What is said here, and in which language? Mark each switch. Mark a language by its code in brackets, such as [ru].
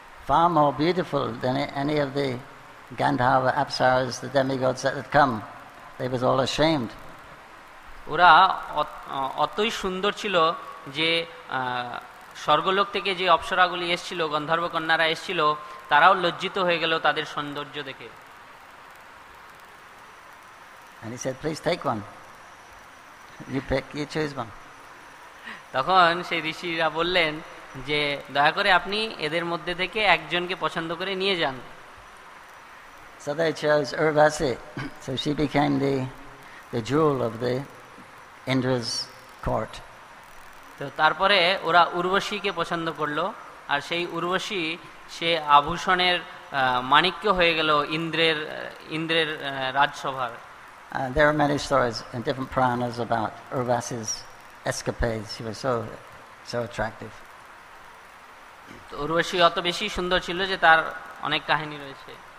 [en] Far more beautiful than any of the Gandhava, apsaras, the demigods that had come. They was all ashamed. [bn] ওরা অতই সুন্দর ছিল যে স্বর্গলোক থেকে যে অপ্সরাগুলি এসেছিল, গন্ধর্ব কন্যারা এসেছিল, তারাও লজ্জিত হয়ে গেল তাদের সৌন্দর্য দেখে। [en] And he said, please take one. You pick, you choose one. [bn] তখন সেই ঋষিরা বললেন যে দয়া করে আপনি এদের মধ্যে থেকে একজনকে পছন্দ করে নিয়ে যান। [en] So they chose Urvasi. So she became the jewel of the Indra's court. [bn] তো তারপরে ওরা উর্বশীকে পছন্দ করলো, আর সেই উর্বশী সে আভূষণের মাণিক্য হয়ে গেল ইন্দ্রের রাজসভার। [en] There are many stories and different pranas about Urvasi's escapades. She was so attractive. [bn] Urvashi অত বেশি সুন্দর ছিল যে তার অনেক কাহিনী রয়েছে।